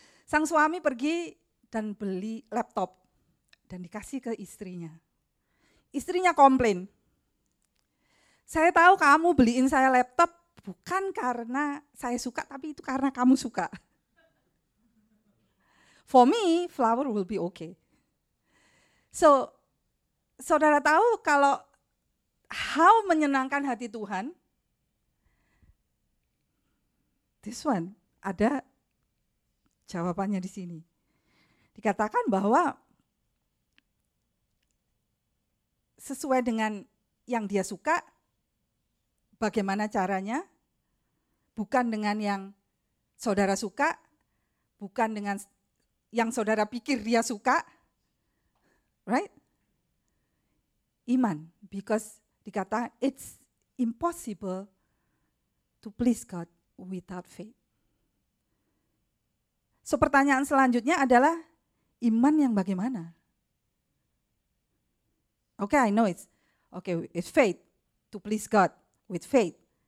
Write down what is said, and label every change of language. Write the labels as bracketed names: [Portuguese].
[Indonesian] Sang suami pergi dan beli laptop dan dikasih ke istrinya. Istrinya komplain. Saya tahu kamu beliin saya laptop bukan karena saya suka, tapi itu karena kamu suka. [English] For me, flower will be okay. So, [Indonesian] saudara tahu kalau [English] how [Indonesian] menyenangkan hati Tuhan? [English] This one, [Indonesian] ada jawabannya di sini. Dikatakan bahwa sesuai dengan yang dia suka, bagaimana caranya? Bukan dengan yang saudara suka, bukan dengan yang saudara pikir dia suka, [English] right? [Indonesian] Iman, [English] because [Indonesian] dikata [English] it's impossible to please God without faith. So [Indonesian] pertanyaan selanjutnya adalah iman yang bagaimana? [English] Okay, I know it's okay. It's faith to please God with faith.